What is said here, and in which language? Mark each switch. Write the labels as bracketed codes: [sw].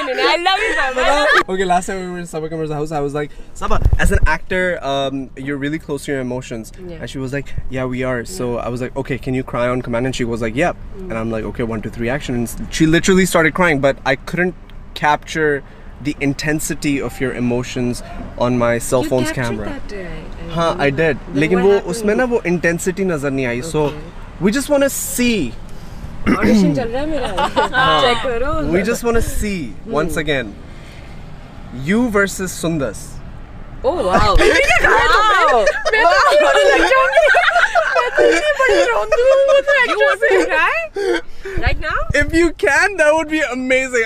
[en] Okay, last time we were in Saba Qamar's house, I was like, Saba, as an actor, you're really close to your emotions. Yeah. And she was like, yeah, we are. So I was like, okay, can you cry on command? And she was like, yep. And I'm like, okay, 1, 2, 3, action. And she literally started crying, but I couldn't capture the intensity of your emotions on my cell phone's camera. You captured that day. Huh, I did. [ur] But اس میں نا وہ intensity نظر نہیں آئی. [en] So we just want to see. We just want to see once again you versus Sundas. Oh wow. If you can, that would be amazing.